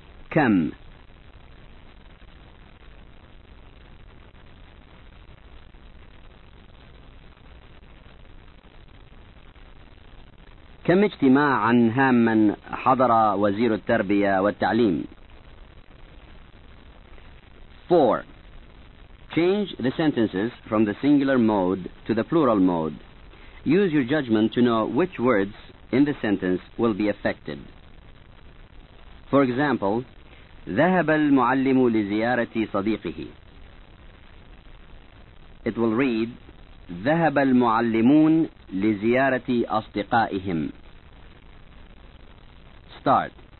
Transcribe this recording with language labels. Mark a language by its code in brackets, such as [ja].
[ar] كم؟ كم اجتماعا هاما حضر وزير التربية والتعليم؟ 4. [en] Change the sentences from the singular mode to the plural mode. Use your judgment to know which words in the sentence will be affected. For example, [ar] ذهب المعلم لزيارة صديقه. [en] It will read, [ar] ذهب المعلمون لزيارة أصدقائهم. [en] Start.